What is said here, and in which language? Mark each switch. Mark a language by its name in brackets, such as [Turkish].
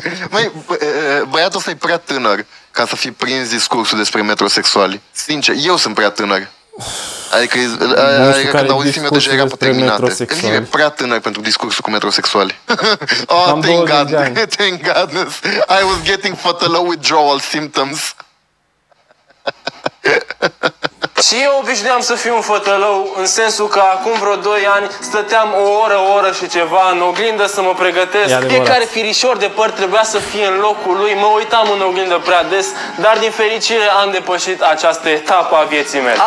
[Romanian] Măi, băiatul ăsta e prea tânăr ca să fi prins discursul despre metrosexuali. Sincer, eu sunt prea tânăr. Adică, când auzim eu deja eram pe terminate. Nu e prea tânăr pentru discursul cu metrosexuali. [English] Oh, thank God. Thank goodness. I was getting fatalow withdrawal symptoms. [Romanian] Și eu obișnuiam să fiu un fătălău, în sensul că acum vreo 2 ani stăteam o oră și ceva în oglindă să mă pregătesc. Fiecare firișor de păr trebuia să fie în locul lui, mă uitam în oglindă prea des, dar din fericire am depășit această etapă a vieții mele.